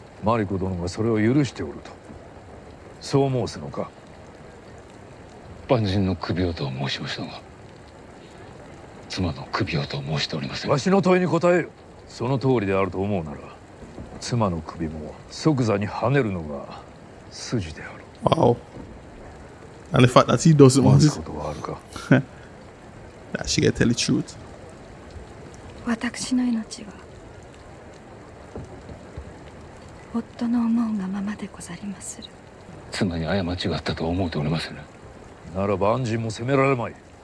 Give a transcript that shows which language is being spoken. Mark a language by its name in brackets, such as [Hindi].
[Japanese] マリコ殿がそれを許しておるとそう申すのか。万人の首をと申しましたが、妻の首をと申しておりません。わしの問いに答える。その通りであると思うなら妻の首も即座に跳ねるのが筋である。 [English] Wow. And the fact that he doesn't want to. Now she gotta tell the truth. [Japanese] 私の命は夫の思うがままでござりまする。妻に過ちがあったと思うておりませぬ。なら万人も責められまい。